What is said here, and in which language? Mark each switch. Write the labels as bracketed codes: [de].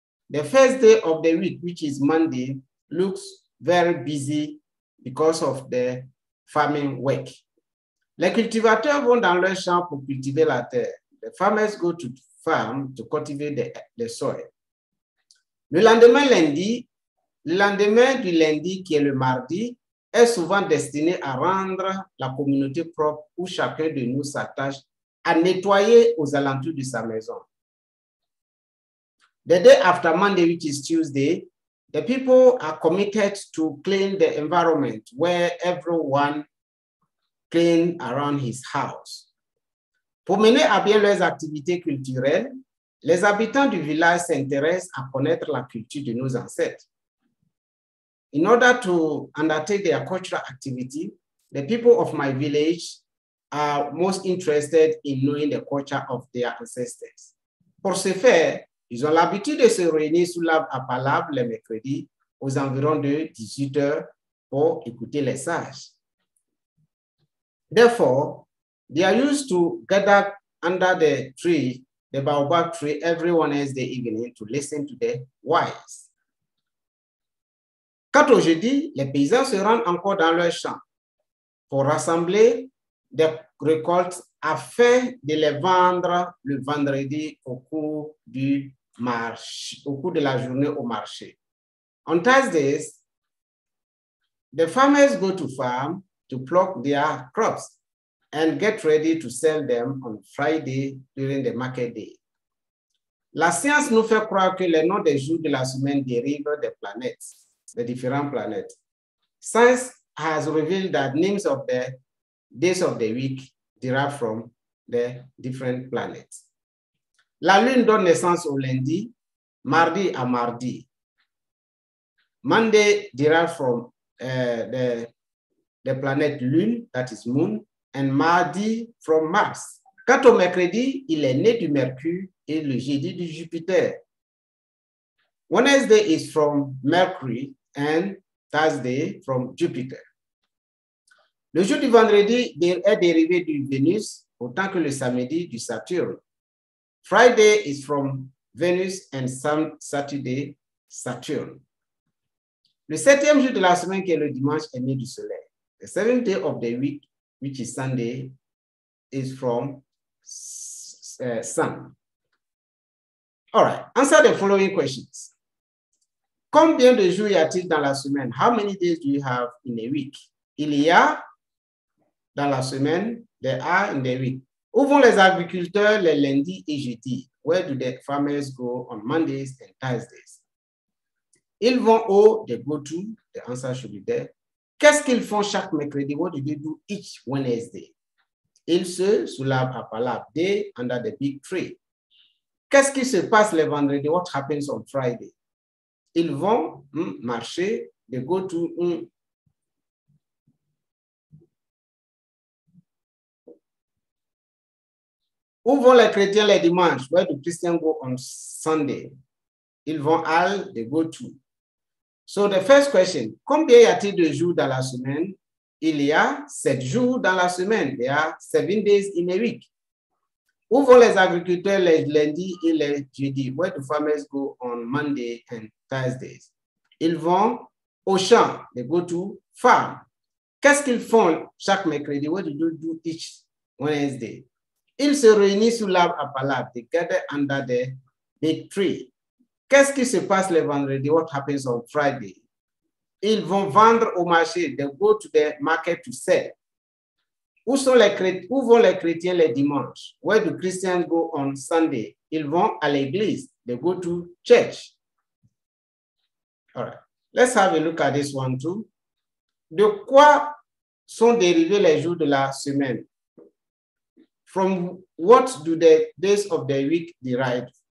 [en] The first day of the week, which is Monday, looks very busy because of the farming work. [fr] Les cultivateurs vont dans leur champ pour cultiver la terre. [en] The farmers go to farm to cultivate the soil. [fr] Le lendemain du lundi, qui est le mardi, est souvent destiné à rendre la communauté propre où chacun de nous s'attache à nettoyer aux alentours de sa maison. [en] The day after Monday, which is Tuesday, the people are committed to clean the environment where everyone cleans around his house. [fr] Pour mener à bien leurs activités culturelles, les habitants du village s'intéressent à connaître la culture de nos ancêtres. [en] In order to undertake their cultural activity, the people of my village are most interested in knowing the culture of their ancestors. [fr] Pour ce faire, ils ont l'habitude de se réunir sous l'arbre à palabre le mercredi aux environs de 18h pour écouter les sages. [en] Therefore, they are used to gather under the tree, the baobab tree, every Wednesday evening to listen to the wise. [fr] Quant au jeudi, les paysans se rendent encore dans leurs champs pour rassembler des récoltes afin de les vendre le vendredi au cours du marché, au cours de la journée au marché. [en] On Thursdays, the farmers go to farm to pluck their crops and get ready to sell them on Friday during the market day. [fr] La science nous fait croire que les noms des jours de la semaine dérivent des planètes, des différentes planètes. [en] Science has revealed that names of the days of the week derive from the different planets. [fr] La lune donne naissance au lundi, mardi à mardi. [en] Monday derives from the planet lune, that is moon, and mardi from Mars. [fr] Quant au mercredi, il est né du Mercure et le jeudi du Jupiter. [en] Wednesday is from Mercury and Thursday from Jupiter. [fr] Le jour du vendredi est dérivé du Vénus autant que le samedi du Saturne. [en] Friday is from Venus and Saturday, Saturn. [fr] Le septième jour de la semaine, qui est le dimanche, est né du soleil. [en] The seventh day of the week, which is Sunday, is from sun. All right, answer the following questions. [fr] Combien de jours y a-t-il dans la semaine? [en] How many days do you have in a week? [fr] Il y a dans la semaine, [en] there are in the week. [fr] Où vont les agriculteurs les lundis et jeudis? [en] Where do the farmers go on Mondays and Thursdays? [fr] Ils vont au, [en] they go to, the answer should be there. [fr] Qu'est-ce qu'ils font chaque mercredi? [en] What do they do each Wednesday? [fr] Ils se soulavent à Palab, [en] they under the big tree. [fr] Qu'est-ce qui se passe le vendredi? [en] What happens on Friday? [fr] Ils vont marcher, [en] they go to. [fr] Où vont les chrétiens les dimanches? [en] Where do Christians go on Sunday? [fr] Ils vont à, [en] they go to. So the first question, [fr] combien y a-t-il de jours dans la semaine? Il y a 7 jours dans la semaine. [en] There are 7 days in a week. [fr] Où vont les agriculteurs les lundis et les jeudis? [en] Where do farmers go on Monday and Thursdays? [fr] Ils vont au champ, [en] they go to farm. [fr] Qu'est-ce qu'ils font chaque mercredi? [en] What do they do each Wednesday? [fr] Ils se réunissent sous l'arbre à Palab, [en] they gather under the big tree. [fr] Qu'est-ce qui se passe le vendredi? [en] What happens on Friday? [fr] Ils vont vendre au marché, [en] they go to the market to sell. [fr] Où vont les chrétiens les dimanches? [en] Where do Christians go on Sunday? [fr] Ils vont à l'église, [en] they go to church. All right, let's have a look at this one too. [fr] De quoi sont dérivés les jours de la semaine? [en] From what do the days of the week derive?